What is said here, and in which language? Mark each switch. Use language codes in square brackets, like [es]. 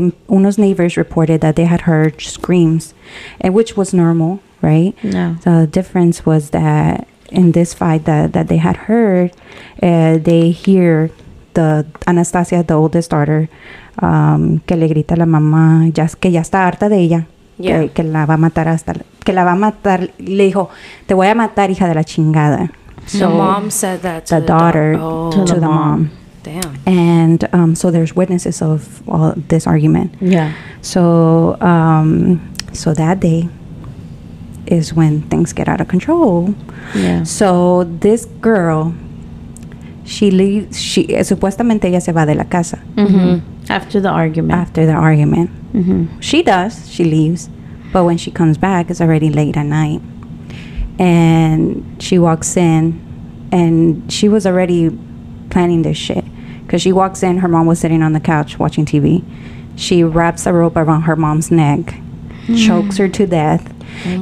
[es] Unos [en] neighbors reported that they had heard screams, and which was normal, right? No. The difference was that in this fight that they had heard, they hear the Anastasia, the oldest daughter, [es] que le grita a la mamá, ya que ya está harta de ella, [en] yeah. [es] que la va a matar hasta que la va a matar. Le dijo, te voy a matar, hija de la chingada. [en] So the mom said that to the daughter to the mom. Damn. And so there's witnesses of all this argument. Yeah. So that day is when things get out of control. Yeah. So this girl, she leaves. She [es] supuestamente ella se va de la casa. [en] Mm-hmm. After the argument. Mm-hmm. She does. She leaves. But when she comes back, it's already late at night. And she walks in, and she was already planning this shit. Because she walks in, her mom was sitting on the couch watching TV. She wraps a rope around her mom's neck, chokes her to death. Mm.